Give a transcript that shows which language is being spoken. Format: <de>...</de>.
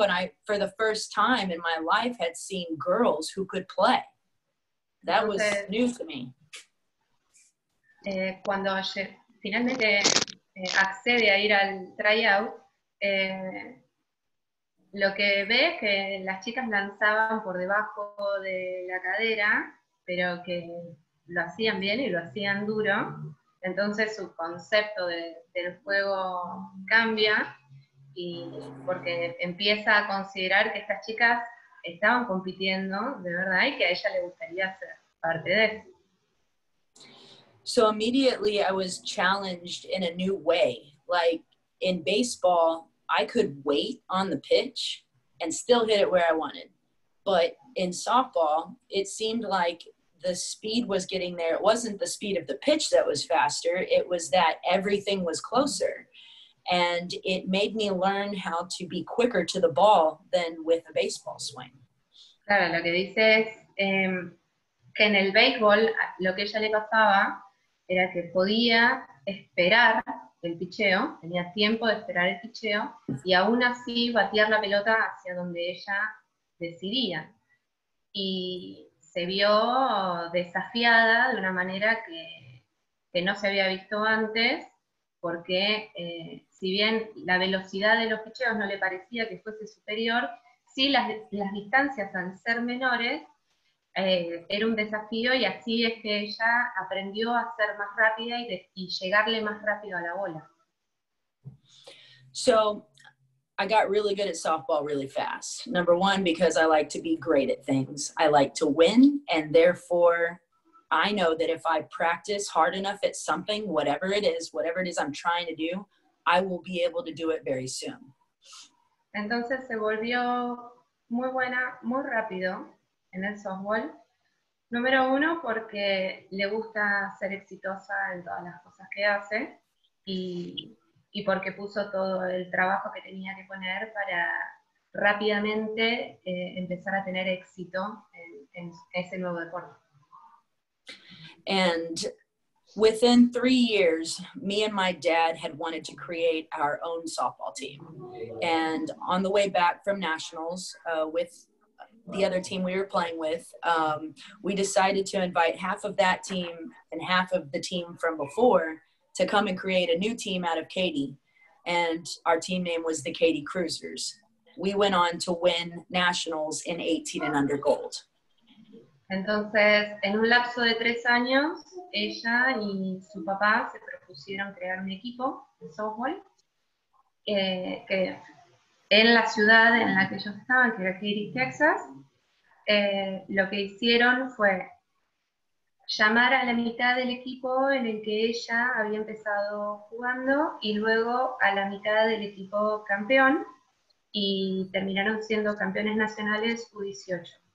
<en>And I, for the first time in my life, had seen girls who could play. That was new to me.</en> <es>Cuando finalmente accede a ir al tryout, lo que ve es que las chicas lanzaban por debajo de la cadera, pero que lo hacían bien y lo hacían duro. Entonces su concepto del juego cambia, y porque empieza a considerar que estas chicas estaban compitiendo de verdad y que a ella le gustaría ser parte de eso.</es> <en>So immediately I was challenged in a new way. Like in baseball, I could wait on the pitch and still hit it where I wanted. But in softball, it seemed like the speed was getting there. It wasn't the speed of the pitch that was faster. It was that everything was closer. And it made me learn how to be quicker to the ball than with a baseball swing.</en> <es>Claro, lo que dice es que en el béisbol lo que ella le pasaba era que podía esperar el picheo, tenía tiempo de esperar el picheo, y aún así batear la pelota hacia donde ella decidía. Y se vio desafiada de una manera que no se había visto antes, porque si bien la velocidad de los picheos no le parecía que fuese superior, sí las distancias al ser menores era un desafío, y así es que ella aprendió a ser más rápida y llegarle más rápido a la bola.</es> <en>So, I got really good at softball really fast. Number one, because I like to be great at things. I like to win, and therefore I know that if I practice hard enough at something, whatever it is I'm trying to do, I will be able to do it very soon.</en> <es>Entonces se volvió muy buena, muy rápido en el softball. Número uno, porque le gusta ser exitosa en todas las cosas que hace y porque puso todo el trabajo que tenía que poner para rápidamente empezar a tener éxito en ese nuevo deporte.</es> <en>And within 3 years, me and my dad had wanted to create our own softball team. And on the way back from nationals with the other team we were playing with, we decided to invite half of that team and half of the team from before to come and create a new team out of Katy. And our team name was the Katy Cruisers. We went on to win nationals in 18 and under gold.</en> <es>Entonces, en un lapso de 3 años, ella y su papá se propusieron crear un equipo de softball que en la ciudad en la que ellos estaban, que era Katy, Texas, lo que hicieron fue llamar a la mitad del equipo en el que ella había empezado jugando y luego a la mitad del equipo campeón, y terminaron siendo campeones nacionales U18.</es>